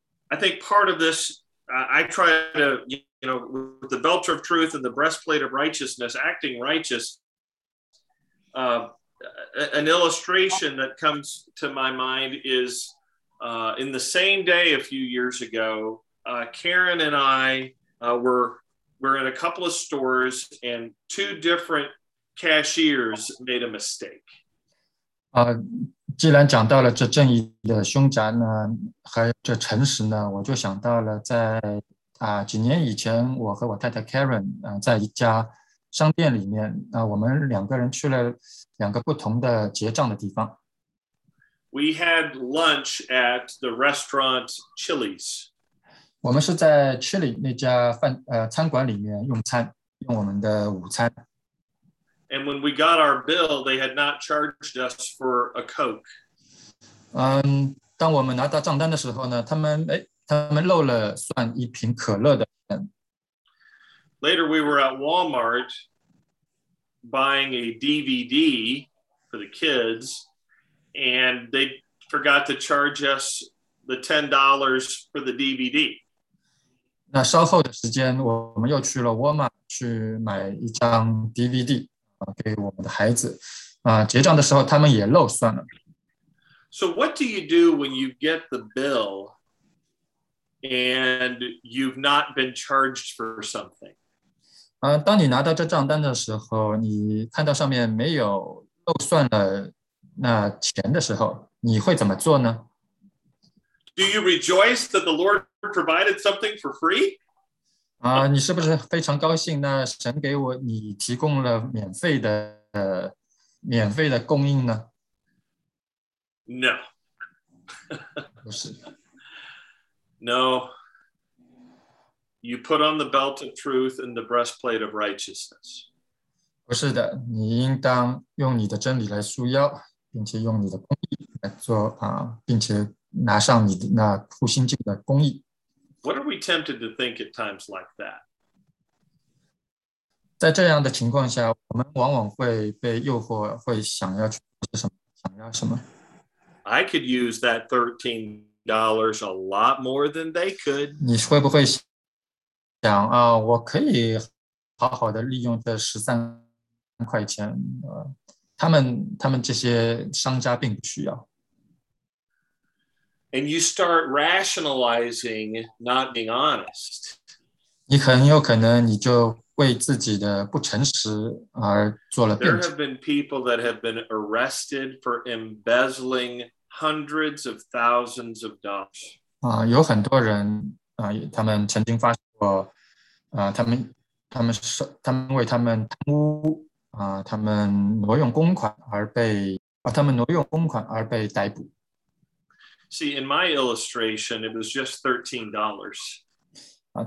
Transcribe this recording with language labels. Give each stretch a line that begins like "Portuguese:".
English: I think part of this, I try to, with the belt of truth and the breastplate of righteousness, acting righteous, an illustration that comes to my mind is in the same day a few years ago, Karen and I were in a couple of stores and two different cashiers made a mistake.
Chinese: 既然讲到了这正义的胸甲呢，还有这诚实呢，我就想到了在几年以前，我和我太太 Karen 在一家商店里面我们两个人去了两个不同的结账的地方。
English: We had lunch at the restaurant Chili's.
Chinese: 我们是在 Chili 那家餐馆里面用餐，用我们的午餐。
English: And when we got our bill, they had not charged us for a Coke.
Chinese: 当我们拿到账单的时候呢，他们漏了算一瓶可乐的钱。
English: Later, we were at Walmart buying a DVD for the kids, and they forgot to charge us the $10 for the DVD.
Chinese: 那稍后的时间，我们又去了 Walmart 去买一张 DVD 给我们的孩子。结账的时候，他们也漏算了。
English: So what do you do when you get the bill and you've not been charged for something?
Chinese: 当你拿到这账单的时候，你看到上面没有漏算了那钱的时候，你会怎么做呢？
English: Do you rejoice that the Lord provided something for free?
Chinese: 你是不是非常高兴那神给我你提供了免费的供应呢？
English: No.
Chinese: 不是。
English: No. You put on the belt of truth and the breastplate of righteousness.
Chinese: 不是的，你应当用你的真理来束腰，并且用你的公义来做并且拿上你的那护心镜的公义。
English: What are we tempted to think at times like that?
Chinese: 在这样的情况下，我们往往会被诱惑，会想要去做什么，想要什么。
English: I could use that $13 a lot more than they could.
Chinese: 你会不会想我可以好好的利用这13块钱，他们这些商家并不需要。
English: and you start rationalizing not being honest.
Chinese: 你很有可能你就为自己的不诚实而做了辩解。
English: There have been people that have been arrested for embezzling hundreds of thousands of dollars.
Chinese: 有很多人他们曾经发生过他们为他们贪污他们挪用公款而被他们挪用公款而被逮捕。
English: See, in my illustration, it was just $13.